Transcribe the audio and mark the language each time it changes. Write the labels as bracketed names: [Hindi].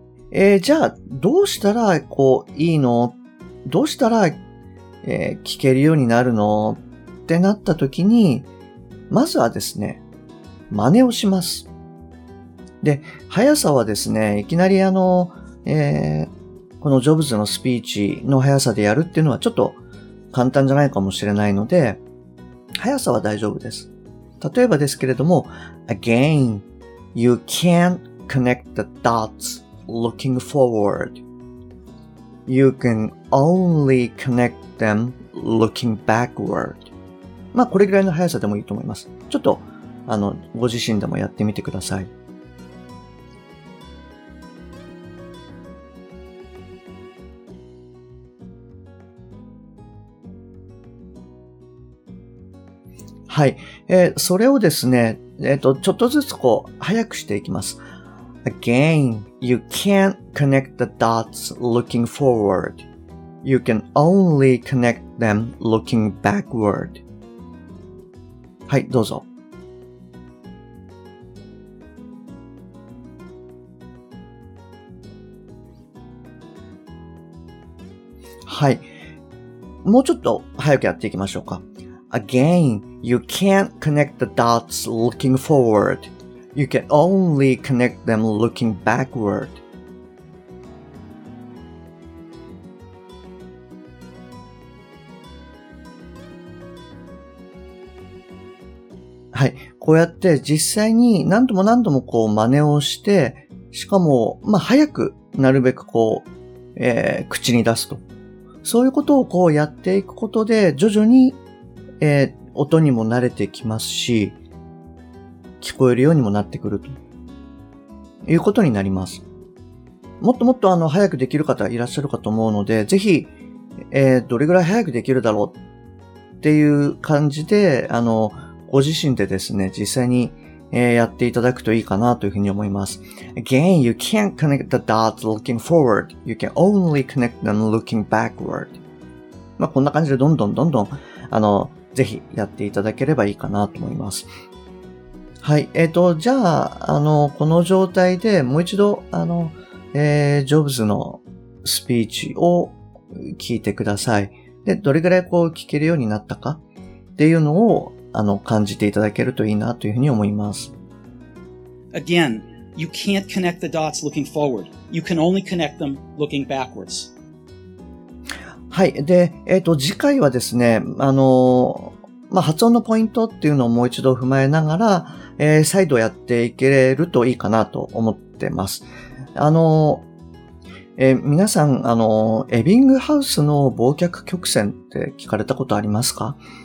[Japanese] じゃあどうしたらこういいの、どうしたら、聞けるようになるのってなった時に、まずはですね、真似をします。で、速さはですね、いきなりあの、このジョブズのスピーチの速さでやるっていうのはちょっと簡単じゃないかもしれないので、速さは大丈夫です。例えばですけれども、 [English] Again, you can't connect the dots looking forward. You can only connect them looking backward. [Japanese] まあこれぐらいの速さでもいいと思います。ちょっとあのご自身でもやってみてください。はい、それをですね、ちょっとずつこう早くしていきます。 [English] Again, you can't connect the dots looking forward. You can only connect them looking backward. [Japanese] はい、どうぞ。はい、もうちょっと早くやっていきましょうか。 [English] Again, you can't connect the dots looking forward. You can only connect them looking backward. [Japanese] はい、こうやって実際に何度も何度もこう真似をして、しかもまあ早くなるべくこう、口に出すと、そういうことをこうやっていくことで徐々に音にも慣れてきますし、聞こえるようにもなってくるということになります。もっともっとあの早くできる方いらっしゃるかと思うので、ぜひ、どれぐらい早くできるだろうっていう感じで、あのご自身でですね、実際に、やっていただくといいかなというふうに思います。 [English] Again, you can't connect the dots looking forward. You can only connect them looking backward. [Japanese] まあこんな感じでどんどんどんどんあのぜひやっていただければいいかなと思います。はい、じゃあ、あの、この状態でもう一度、あの、ジョブズのスピーチを聞いてください。で、どれぐらいこう聞けるようになったかっていうのを、あの、感じていただけるといいなというふうに思います。 [English] Again, you can't connect the dots looking forward. You can only connect them looking backwards. [Japanese] はい。で、次回はですね、まあ、発音のポイントっていうのをもう一度踏まえながら、再度やっていけるといいかなと思ってます。皆さん、エビングハウスの忘却曲線って聞かれたことありますか？